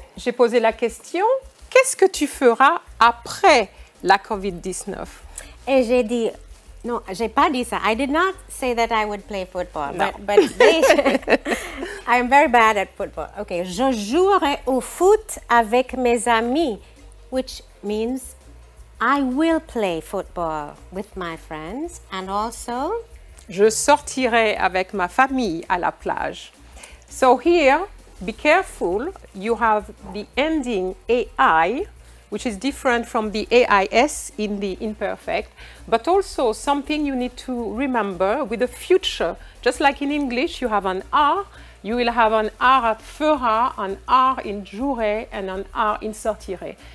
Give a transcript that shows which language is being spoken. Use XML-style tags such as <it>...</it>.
<fr>J'ai posé la question, qu'est-ce que tu feras après la COVID-19? Et j'ai dit... Non, j'ai pas dit ça.</fr> <en>I did not say that I would play football.</en> <fr>Non.</fr> <en>But they... I'm very bad at football. Okay,</en> <fr>je jouerai au foot avec mes amis,</fr> <en>which means I will play football with my friends. And also...</en> <fr>Je sortirai avec ma famille à la plage.</fr> <en>So here... Be careful, you have the ending AI, which is different from the AIS in the imperfect, but also something you need to remember with the future. Just like in English, you have an R, you will have an R fera, an R in jouerai, and an R in sortirai.</en>